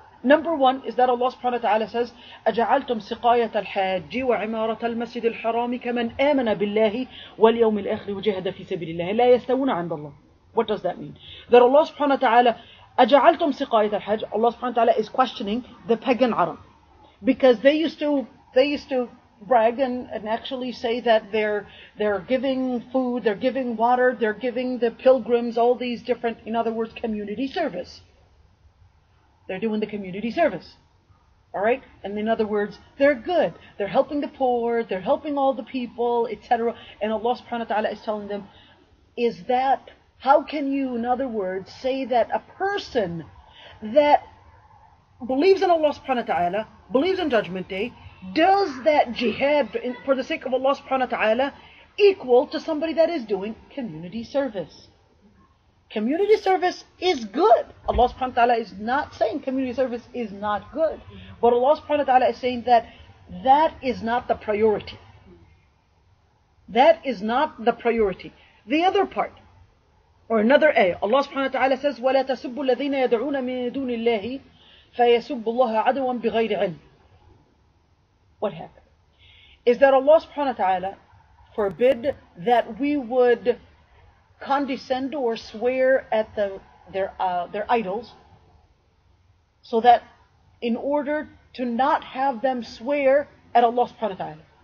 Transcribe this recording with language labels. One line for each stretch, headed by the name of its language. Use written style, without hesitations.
English: Number one is that Allah subhanahu wa ta'ala says,
Arabic: أَجَعَلْتُمْ سِقَايَةَ الْحَاجِّ وَعِمَارَةَ الْمَسْجِدِ الْحَرَامِ كَمَنْ آمَنَ بِاللَّهِ وَالْيَوْمِ الْآخِرِ وَجَهَدَ فِي سَبِيلِ اللَّهِ لَا يَسْتَوُونَ عَنْدَ اللَّهِ.
English: What does that mean? That Allah subhanahu wa ta'ala,
Arabic: أَجَعَلْتُمْ سِقَايَةَ الْحَاجِّ,
English: Allah subhanahu wa ta'ala is questioning the pagan Arab, because they used to brag and actually say that they're giving food, they're giving water, they're giving the pilgrims all these different, in other words, community service. They're doing the community service. All right? And in other words, they're good. They're helping the poor, they're helping all the people, etc. And Allah subhanahu wa ta'ala is telling them, is that, how can you, in other words, say that a person that believes in Allah subhanahu wa ta'ala, believes in Judgment Day, does that jihad for the sake of Allah subhanahu wa ta'ala equal to somebody that is doing community service? Community service is good. Allah subhanahu wa ta'ala is not saying community service is not good. But Allah subhanahu wa ta'ala is saying that that is not the priority. That is not the priority. The other part, or another ayah, Allah subhanahu wa ta'ala says,
Arabic: وَلَا تَسُبُّ الَّذِينَ يَدْعُونَ مِنْ دُونِ اللَّهِ فَيَسُبُّ اللَّهَ عَدْوًا بِغَيْرِ عِلْمٍ.
English: What happened is that Allah subhanahu wa ta'ala forbid that we would condescend or swear at their idols, so that in order to not have them swear at Allah subhanahu wa ta'ala.